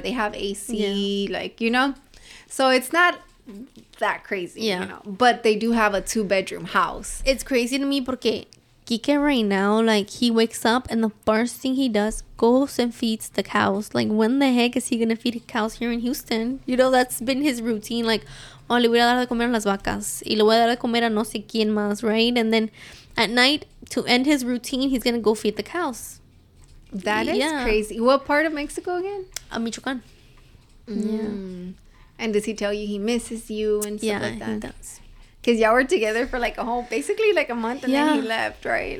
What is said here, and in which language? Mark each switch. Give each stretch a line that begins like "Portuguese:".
English: They have AC, like, you know. So it's not that crazy, you know. But they do have a 2-bedroom house. It's crazy to me porque Kike right now, like, he wakes up and the first thing he does goes and feeds the cows. Like, when the heck is he going to feed cows here in Houston? You know, that's been his routine.
Spanish: Like, oh, le voy a dar de comer a las vacas. Y le voy a dar de comer a no sé quién más, right?
English: And then at night, to end his routine, he's going to go feed the cows. That is crazy. What part of Mexico again? Michoacán. Mm. Yeah. And does he tell you he misses you and stuff like that? Yeah, he does. Because y'all were together for like a whole, basically like a month, and then he left, right?